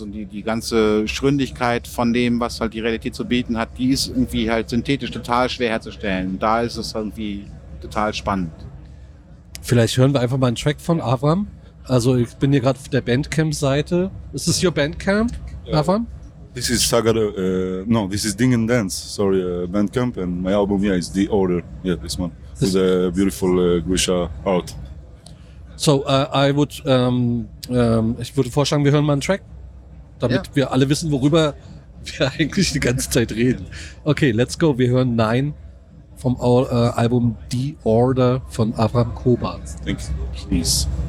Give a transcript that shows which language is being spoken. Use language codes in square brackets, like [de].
[de] Und die ganze Schründigkeit von dem, was halt die Realität zu bieten hat, die ist irgendwie halt synthetisch total schwer herzustellen. Und da ist es irgendwie total spannend. Vielleicht hören wir einfach mal einen Track von Avram. Also ich bin hier gerade auf der Bandcamp-Seite. Ist das your Bandcamp, Avram? [en] This is Sagara, no, this is Ding and Dance, sorry, Bandcamp, and my album, yeah, is The Order, yeah, this one, with a beautiful Grisha art. [de] So, ich würde vorschlagen, wir hören mal einen Track, damit wir alle wissen, worüber wir eigentlich die ganze Zeit reden. Okay, [en] let's go, [de] wir hören Nine vom Album The Order von Avram Koban. [en] Thank you. Peace.